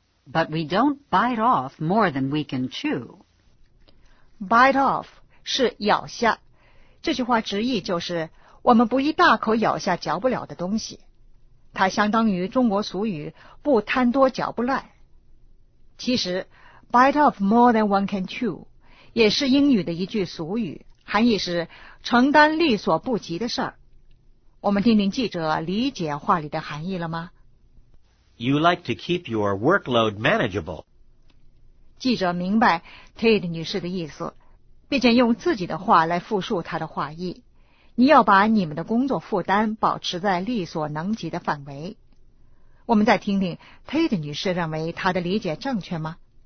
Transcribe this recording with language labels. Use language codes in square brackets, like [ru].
[en] But we don't bite off more than we can chew. Bite off [zh] 是咬下，这句话直译就是我们不一大口咬下嚼不了的东西。它相当于中国俗语不贪多嚼不烂。其实 [en] bite off more than one can chew [zh] 也是英语的一句俗语，含义是承担力所不及的事儿。我们听听记者理解话里的含义了吗？ [en] You like to keep your workload manageable. [zh] 记者明白 Tate 女士的意思，并且用自己的话来复述她的话意。你要把你们的工作负担保持在力所能及的范围。我们再听听 Tate 女士认为她的理解正确吗？